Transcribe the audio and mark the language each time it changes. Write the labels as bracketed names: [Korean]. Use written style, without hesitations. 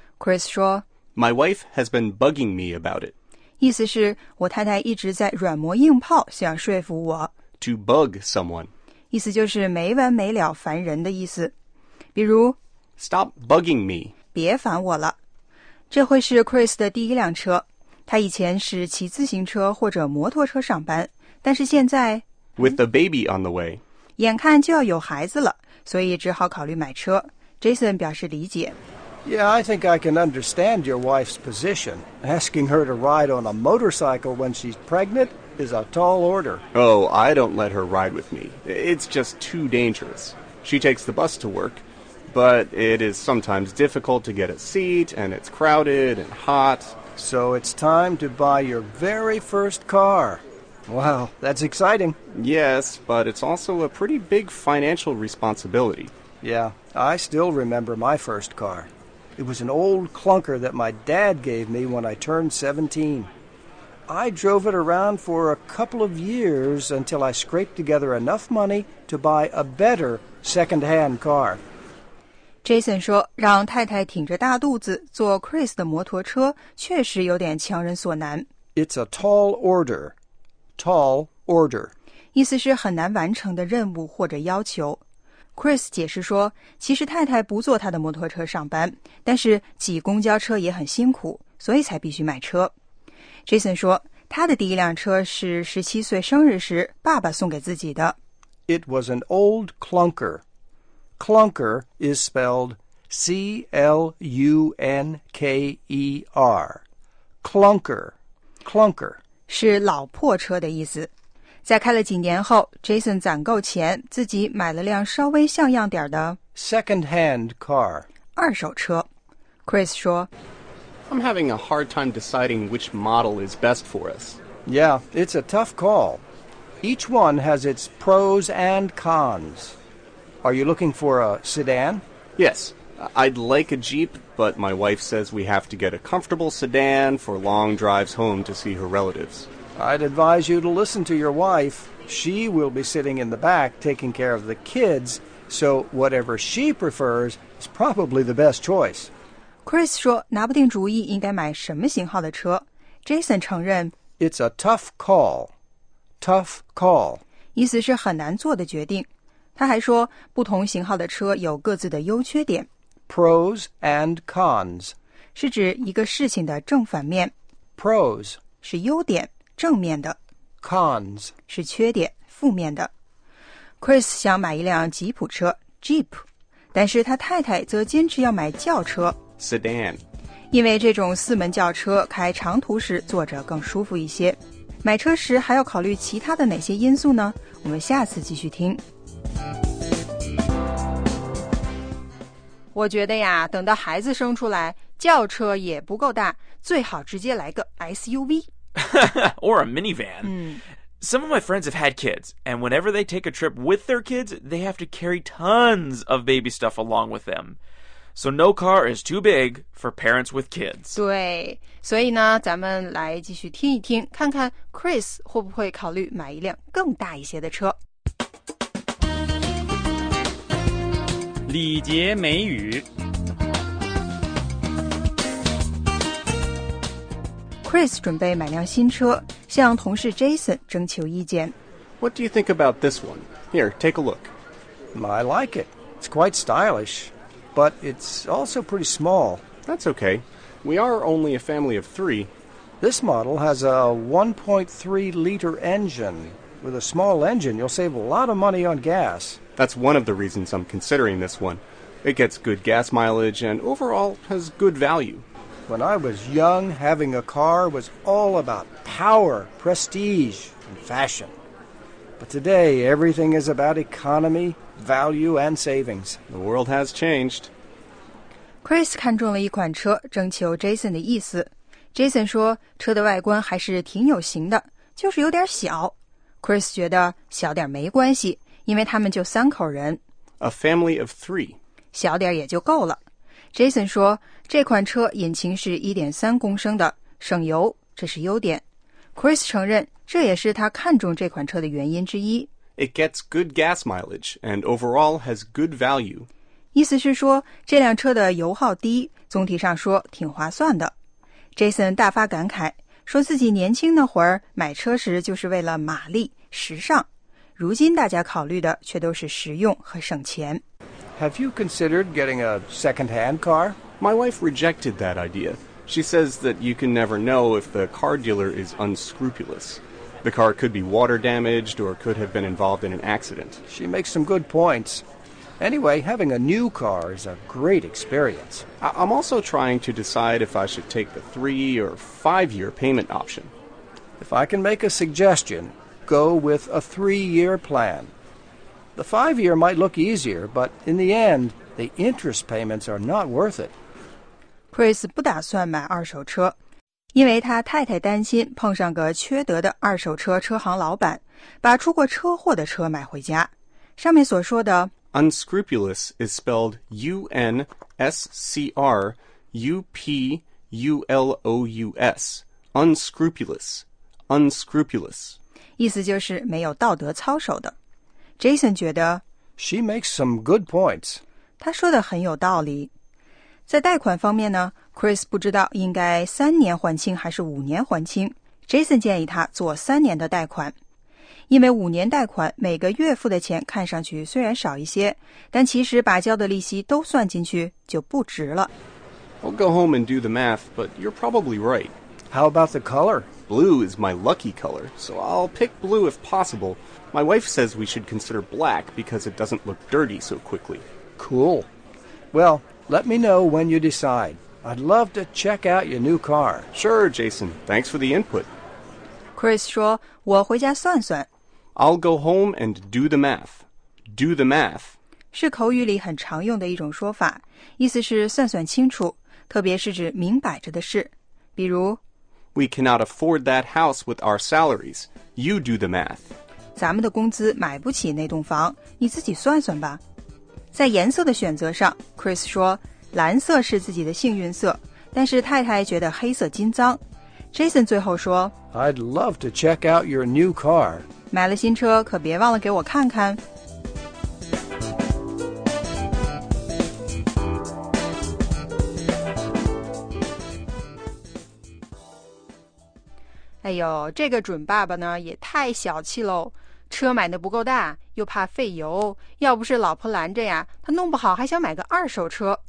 [Chinese] Chris 说 [English] My wife has been bugging me about it. [Chinese] 意思是我太太一直在软磨硬泡想说服我。 [English] To bug someone. [Chinese] 意思就是没完没了烦人的意思。比如 [English] Stop bugging me. [Chinese] 别烦我了。这会是 Chris 的第一辆车。他以前是骑自行车或者摩托车上班。但是现在 With the baby on the way. 眼看就要有孩子了，所以只好考虑买车。 Jason 表示理解。 [English] Yeah, I think I can understand your wife's position. Asking her to ride on a motorcycle when she's pregnant is a tall order. Oh, I don't let her ride with me. It's just too dangerous. She takes the bus to work, but it is sometimes difficult to get a seat, and it's crowded and hot. So it's time to buy your very first car. Wow, that's exciting. Yes, but it's also a pretty big financial responsibility. Yeah, I still remember my first car. It was an old clunker that my dad gave me when I turned 17. I drove it around for a couple of years until I scraped together enough money to buy a better second-hand car. [Chinese] Jason 说，让太太挺着大肚子坐 Chris 的摩托车确实有点强人所难。 [English] It's a tall order. Tall order. [Chinese] 意思是很难完成的任务或者要求。Chris 解释说，其实太太不坐他的摩托车上班，但是挤公交车也很辛苦，所以才必须买车。 Jason 说，他的第一辆车是17岁生日时爸爸送给自己的。 [English] It was an old clunker. Clunker is spelled C-L-U-N-K-E-R. Clunker, clunker. [Chinese] 是老破车的意思。在开了几年后 ,Jason 攒够钱自己买了辆稍微像样点的 [English] Second-hand car. [Chinese] 二手车。Chris 说 [English] I'm having a hard time deciding which model is best for us. Yeah, it's a tough call. Each one has its pros and cons. Are you looking for a sedan? Yes, I'd like a Jeep, but my wife says we have to get a comfortable sedan for long drives home to see her relatives. I'd advise you to listen to your wife. She will be sitting in the back taking care of the kids, so whatever she prefers is probably the best choice. [Chinese] Chris 说拿不定主意应该买什么型号的车。 Jason 承认 [English] It's a tough call. Tough call. [Chinese] 意思是很难做的决定。他还说不同型号的车有各自的优缺点。 [English] Pros and cons. [Chinese] 是指一个事情的正反面。 [English] Pros [Chinese] 是优点。正面的 [English] cons [Chinese] 是缺点负面的 Chris 想买一辆吉普车 Jeep 但是他太太则坚持要买轿车 [English] Sedan [Chinese] 因为这种四门轿车开长途时坐着更舒服一些买车时还要考虑其他的哪些因素呢我们下次继续听我觉得呀等到孩子生出来轿车也不够大最好直接来个 SUV [English] Or a minivan. Some of my friends have had kids, and whenever they take a trip with their kids, they have to carry tons of baby stuff along with them. So no car is too big for parents with kids. [Chinese] 对，所以呢，咱们来继续听一听，看看 Chris 会不会考虑买一辆更大一些的车。礼节美语 Chris 准备买辆新车，向同事 Jason 征求意见。 [English] What do you think about this one? Here, take a look. I like it. It's quite stylish, but it's also pretty small. That's okay. We are only a family of three. This model has a 1.3-liter engine. With a small engine, you'll save a lot of money on gas. That's one of the reasons I'm considering this one. It gets good gas mileage and overall has good value. When I was young, having a car was all about power, prestige, and fashion. But today, everything is about economy, value, and savings. The world has changed. [Chinese] Chris 看中了一款车，征求 Jason 的意思。Jason 说，车的外观还是挺有型的，就是有点小。 Chris 觉得小点没关系，因为他们就三口人。 [English] A family of three. [Chinese] 小点也就够了。 Jason 说这款车引擎是 1.3 公升的省油这是优点 Chris 承认这也是他看中这款车的原因之一 [English] It gets good gas mileage and overall has good value [Chinese] 意思是说这辆车的油耗低总体上说挺划算的 Jason 大发感慨说自己年轻那会儿买车时就是为了马力时尚如今大家考虑的却都是实用和省钱 [English] Have you considered getting a second-hand car? My wife rejected that idea. She says that you can never know if the car dealer is unscrupulous. The car could be water damaged or could have been involved in an accident. She makes some good points. Anyway, having a new car is a great experience. I'm also trying to decide if I should take the 3 or 5 year payment option. If I can make a suggestion, go with a 3 year plan. The 5 year might look easier, but in the end, the interest payments are not worth it. [Chinese] Chris 不打算买二手车，因为他太太担心碰上个缺德的二手车车行老板，把出过车祸的车买回家。上面所说的 [English] unscrupulous is spelled U-N-S-C-R-U-P-U-L-O-U-S. Unscrupulous, unscrupulous. [Chinese] 意思就是没有道德操守的。Jason 觉得 [English] She makes some good points. [Chinese] 他说的很有道理。在贷款方面呢， Chris 不知道应该3年还清还是5年还清。 Jason 建议他做3年的贷款。因为5年贷款每个月付的钱看上去虽然少一些，但其实把交的利息都算进去就不值了。 [English] I'll go home and do the math, but you're probably right. How about the color? Blue is my lucky color, so I'll pick blue if possible. My wife says we should consider black because it doesn't look dirty so quickly. Cool. Well, let me know when you decide. I'd love to check out your new car. Sure, Jason. Thanks for the input. [Chinese] Chris 说，我回家算算。 [English] I'll go home and do the math. Do the math. [Chinese] 是口语里很常用的一种说法，意思是算算清楚，特别是指明摆着的事。比如 [English] We cannot afford that house with our salaries. You do the math. [Chinese] 咱们的工资买不起那栋房，你自己算算吧。在颜色的选择上， Chris 说，蓝色是自己的幸运色，但是太太觉得黑色金脏。 Jason 最后说 I'd love to check out your new car. 买了新车可别忘了给我看看。哎呦，这个准爸爸呢也太小气喽！车买的不够大，又怕费油，要不是老婆拦着呀，他弄不好还想买个二手车。